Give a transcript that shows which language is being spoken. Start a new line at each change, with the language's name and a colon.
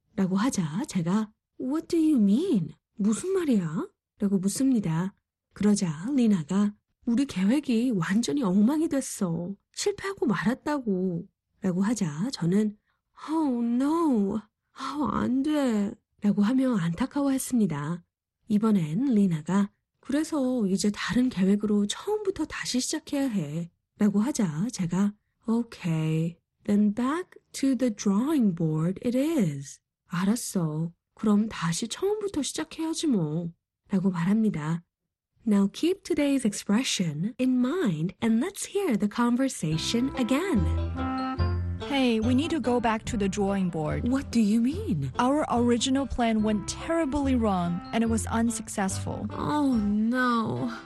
Korean: 라고 하자 제가
English: What do you mean?
Korean: 무슨 말이야? 라고 묻습니다. 그러자 리나가 우리 계획이 완전히 엉망이 됐어. 실패하고 말았다고. 라고 하자 저는
English: Oh no.
Korean: Oh, 안 돼. 라고 하며 안타까워했습니다. 이번엔 리나가 그래서 이제 다른 계획으로 처음부터 다시 시작해야 해. 라고 하자 제가 오케이
English: Then back to the drawing board it is.
Korean: 알았어. 그럼 다시 처음부터 시작해야지 뭐. 라고 말합니다.
English: Now keep today's expression in mind and let's hear the conversation again. Hey, we need to go back to the drawing board. What do you mean? Our original plan went terribly wrong and it was unsuccessful. Oh, no.